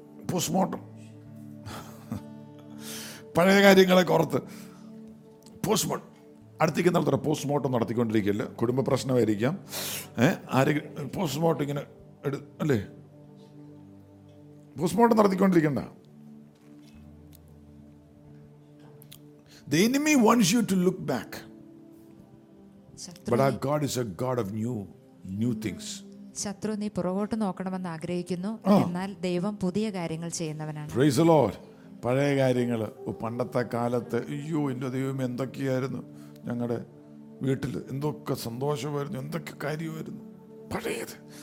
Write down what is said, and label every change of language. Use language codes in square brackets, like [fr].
[ml] Postmortem പഴയ കാര്യങ്ങളെ ഓർത്ത് പോസ്റ്റ്മോർട്ടം അടുത്തേക്ക് നടത്തുന്ന പോസ്റ്റ്മോർട്ടം നടത്തിക്കൊണ്ടിരിക്കില്ല. കുടുംബ പ്രശ്നമായിരിക്കാം, ആരെങ്കിലും പോസ്റ്റ്മോർട്ടം ഇങ്ങനെ എടു അല്ലേ, postmortem നടത്തിക്കൊണ്ടിരിക്കണ്ട. [en] The enemy wants you to look back, but our God is a God of new things. [ml] ശത്രു നീ പുറകോട്ട് നോക്കണമെന്ന് ആഗ്രഹിക്കുന്നു, എന്നാൽ ദൈവം പുതിയ കാര്യങ്ങൾ ചെയ്യുന്നവനാണ്. [en] Praise the lord. [ml] പഴയ കാര്യങ്ങൾ, പണ്ടത്തെ കാലത്ത് അയ്യോ എൻ്റെ ദൈവം എന്തൊക്കെയായിരുന്നു, ഞങ്ങളുടെ വീട്ടിൽ എന്തൊക്കെ സന്തോഷമായിരുന്നു, എന്തൊക്കെ കാര്യമായിരുന്നു പഴയത്.